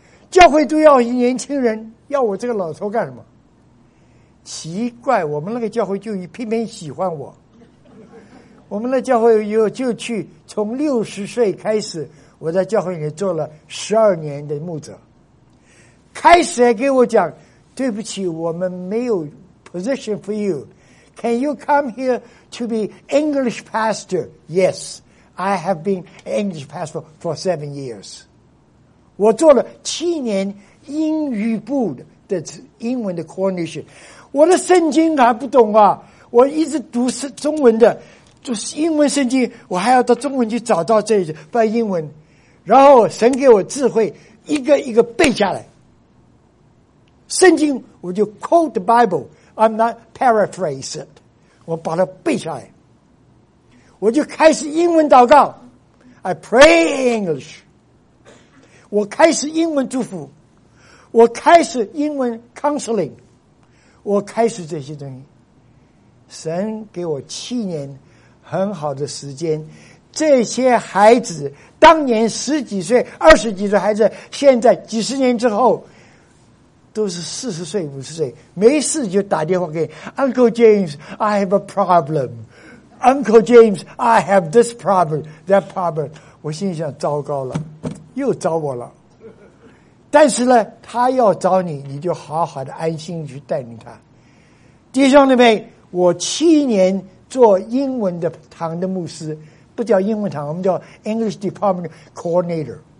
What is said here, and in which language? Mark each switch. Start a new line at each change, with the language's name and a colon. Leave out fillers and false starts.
Chinese: 教会都要年轻人，要我这个老头干什么？奇怪，我们那个教会就偏偏喜欢我。我们那教会就去，从60岁开始，我在教会里做了12年的牧者。开始还给我讲，对不起，我们没有
English: position for you. Can you come here to be English pastor? Yes, I have been English pastor for 7 years.
Chinese: 我做了7年英语部的英文的 coordination。我的圣经还不懂啊，我一直读中文的，就是英文圣经，我还要到中文去找到这些翻英文，然后神给我智慧，一个一个背下来。圣经我就
English: quote the Bible, I'm not paraphrase it,
Chinese: 我把它背下来，我就开始英文祷告 ，
English: I pray in English,
Chinese: 我开始英文祝福，我开始英文 counseling, 我开始这些东西。神给我7年很好的时间，这些孩子当年十几岁、二十几岁孩子，现在几十年之后。都是40岁、50岁，没事就打电话给
English: Uncle James, I have a problem. Uncle James, I have this problem, that problem.
Chinese: 我心里想，糟糕了，又找我了。但是呢，他要找你，你就好好的安心去带领他。弟兄姊妹，我7年做英文的堂的牧师，不叫英文堂，我们叫 English Department Coordinator.